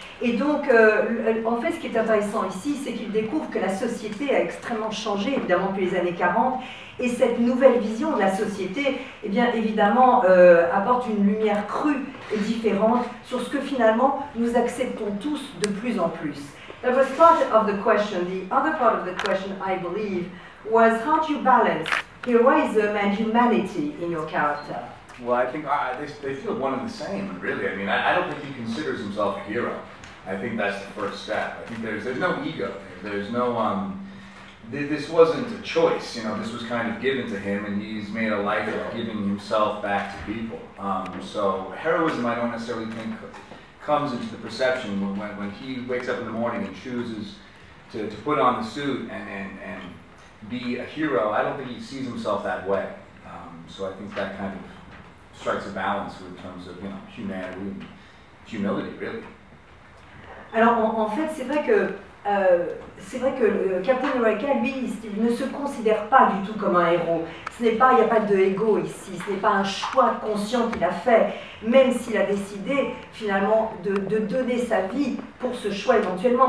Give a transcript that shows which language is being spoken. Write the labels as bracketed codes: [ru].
[fr] Et donc, en fait, ce qui est intéressant ici, c'est qu'il découvre que la société a extrêmement changé, évidemment, depuis les années 40. Et cette nouvelle vision de la société, eh bien, évidemment, apporte une lumière crue et différente sur ce que, finalement, nous acceptons tous de plus en plus. [en] That was part of the question. The other part of the question, I believe, was how do you balance heroism and humanity in your character? Well, I think they feel one and the same, really. I mean, I don't think he considers himself a hero. I think that's the first step. I think there's no ego. There's no this wasn't a choice. You know, this was kind of given to him, and he's made a life of giving himself back to people. So heroism, I don't necessarily think comes into the perception when he wakes up in the morning and chooses to put on the suit and be a hero. I don't think he sees himself that way. So I think that kind of strikes a balance in terms of, you know, humanity and humility, really. [fr] Alors, en fait, c'est vrai que Captain America, lui, il ne se considère pas du tout comme un héros. Ce n'est pas, il n'y a pas de ego ici, ce n'est pas un choix conscient qu'il a fait, même s'il a décidé, finalement, de donner sa vie pour ce choix éventuellement.